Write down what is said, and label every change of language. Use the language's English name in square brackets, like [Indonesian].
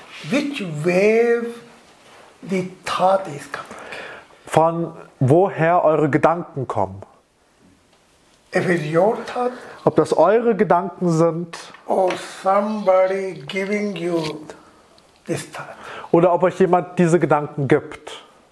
[English] which wave the thought is coming. [German] Von woher eure Gedanken kommen. [English] If it's your thought, [German] ob das eure Gedanken sind, [English] or somebody giving you this thought. [German] Oder ob euch jemand diese Gedanken gibt.